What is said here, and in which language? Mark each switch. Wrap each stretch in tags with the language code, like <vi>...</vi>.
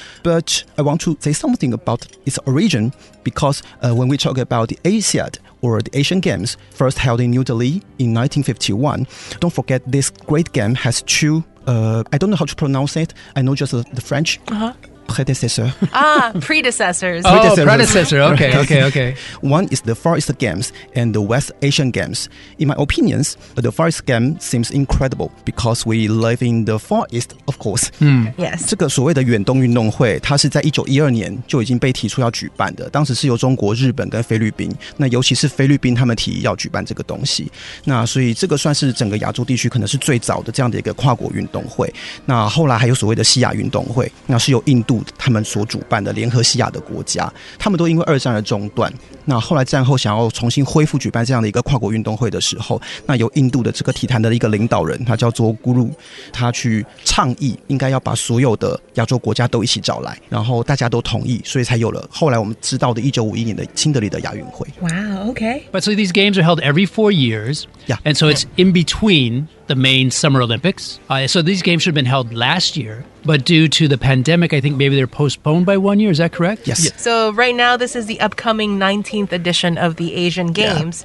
<en>But I want to say something about its origin because when we talk about the ASEAN or the Asian Games, first held in New Delhi in 1951, don't forget this great game has two, I don't know how to pronounce it, I know just the French. Uh-huh. predecessor. Ah, predecessors. predecessor. Okay. One is the Far East Games and the West Asian Games. In my opinion, the Far East Games seems incredible because we live in the Far East, of course. Yes.</en> <zh>这个所谓的远东运动会，它是在1912年就已经被提出要举办的。当时是由中国、日本跟菲律宾，那尤其是菲律宾他们提议要举办这个东西。那所以这个算是整个亚洲地区可能是最早的这样的一个跨国运动会。那后来还有所谓的西亚运动会，那是由印度他们所主办的联合西亚的国家，他们都因为二战而中断。那后来战后想要重新恢复举办这样的一个跨国运动会的时候，那由印度的这个体坛的一个领导人，他叫做古鲁，他去倡议应该要把所有的亚洲国家都一起找来，然后大家都同意，所以才有了后来我们知道的1951年的新德里的亚运会。</zh> <en>Wow, okay. But so these games are held every 4 years. Yeah. And so it's in between the main Summer Olympics. So these games should have been held last year. But due to the pandemic, I think maybe they're postponed by 1 year. Is that correct? Yes. Yeah. So right now, this is the upcoming 19th edition of the Asian Games.</en>